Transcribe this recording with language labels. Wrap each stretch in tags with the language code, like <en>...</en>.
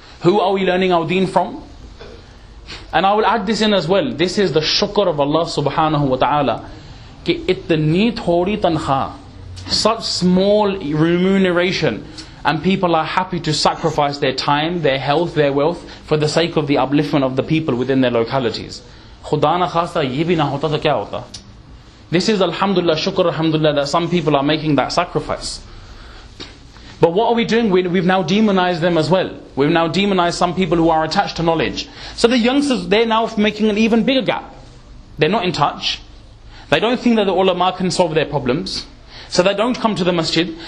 <en>Who are we learning our deen from? And I will add this in as well. This is the shukr of Allah subhanahu wa ta'ala.</en> <ur>Ki itni thodi tankha,</ur> <en>such small remuneration. And people are happy to sacrifice their time, their health, their wealth for the sake of the upliftment of the people within their localities.</en> <ur>خدا نہ خواستہ یہ بھی نہ ہوتا تو کیا ہوتا؟</ur> <en>This is alhamdulillah, shukr alhamdulillah, that some people are making that sacrifice. But what are we doing? We've now demonized them as well. We've now demonized some people who are attached to knowledge. So the youngsters, they're now making an even bigger gap. They're not in touch. They don't think that the ulama can solve their problems. So they don't come to the masjid.</en>